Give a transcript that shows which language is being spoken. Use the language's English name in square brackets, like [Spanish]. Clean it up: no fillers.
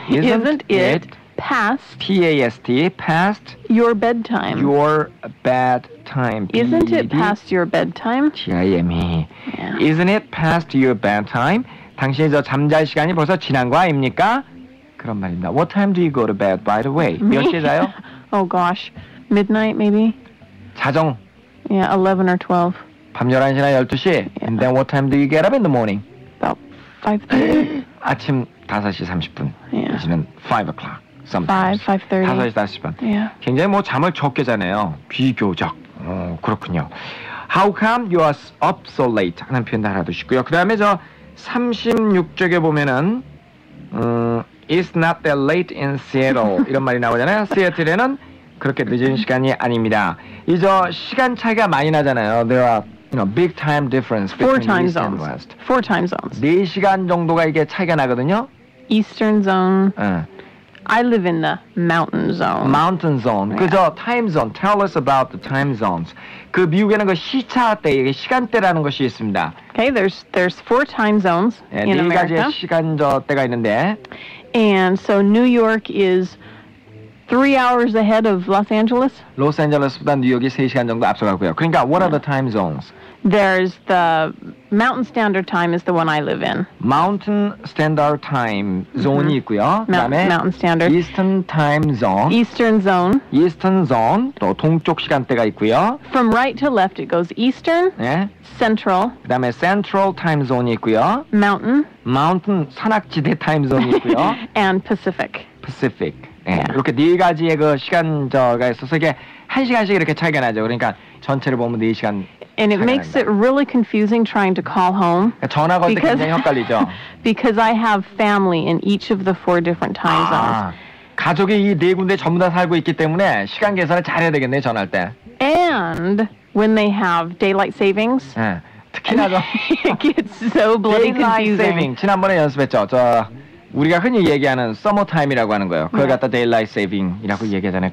[English] Isn't it past? P-A-S-T. Past? Your bedtime. Your bedtime. Isn't it past your bedtime? T-I-M-E. Yeah. Isn't it past your bedtime? [Korean] 당신의 저 잠잘 시간이 벌써 지난 거 아닙니까? 그런 말입니다. [English] What time do you go to bed, by the way? [Korean] 몇 시에 자요? [English] Oh, gosh. Midnight, maybe? [Korean] 자정. [English] Yeah, 11 or 12. [Korean] 밤 11시나 12시? [English] Yeah. And then what time do you get up in the morning? About 5:30. [Korean] 아침 5시 30분. [English] Yeah. [Korean] 이제는 [English] 5 o'clock. Sometimes. 5, 5:30. [Korean] 5시 30분. [English] Yeah. [Korean] 굉장히 뭐 잠을 적게 자네요. 비교적. 그렇군요. [English] How come you are up so late? [Korean] 하는 표현도 알아두시고요. 그 다음에 저 36쪽에 보면은 [English] It's not that late in Seattle. [Korean] 이런 말이 나오잖아요. Seattle에는 그렇게 늦은 시간이 아닙니다. 이제 시간 차이가 많이 나잖아요. [English] There are you know, big time difference between four time east zones. And west. Four time zones. [Korean] 4시간 정도가 이게 차이가 나거든요. [English] Eastern zone. [Korean] 응. [English] I live in the mountain zone. Mountain zone. Yeah. [Korean] 그저 [English] time zone. Tell us about the time zones. [Korean] 그 미국에는 그 시차대, 이게 시간대라는 것이 있습니다. [English] Okay, there's four time zones [Korean] 네, [English] in [Korean] 네 [English] America. [Korean] 4가지의 시간대가 있는데. [English] And so New York is 3 hours ahead of Los Angeles? [Korean] Los Angeles보다 뉴욕이 3시간 정도 앞서가고요. 그러니까 [English] what are the time zones? There's the Mountain Standard Time is the one I live in. [Korean] Mountain Standard Time zone이 있고요. [English] Mountain Standard. Eastern Time Zone. Eastern Zone. Eastern Zone. [Korean] 또 동쪽 시간대가 있고요. [English] From right to left it goes Eastern. [Korean] 네. [English] Central. [Korean] 그 다음에 Central Time Zone이 있고요. [English] Mountain. [Korean] Mountain 산악지대 Time Zone이 있고요. [English] And Pacific. Pacific. [Korean] 네, 이렇게 네 가지의 그 시간저가 있어서 이게 한 시간씩 이렇게 차이가 나죠. 그러니까 전체를 보면 네 시간 [English] And it [Korean] 차이가 [English] makes [Korean] 난다. [English] it really confusing trying to call home. [Korean] 그러니까 전화 걸 때 굉장히 헷갈리죠. [English] Because I have family in each of the four different time zones. [Korean] 아, 가족이 이 네 군데 전부 다 살고 있기 때문에 시간 계산을 잘해야 되겠네요, 전화할 때. [English] And when they have daylight savings. [Korean] 네, 특히나 저 [English] It gets so bloody confusing. [Korean] Saving. 지난번에 연습했죠. 저 우리가 흔히 얘기하는 서머타임이라고 하는 거예요. 그걸 갖다 데일라이트 세이빙이라고 얘기하잖아요.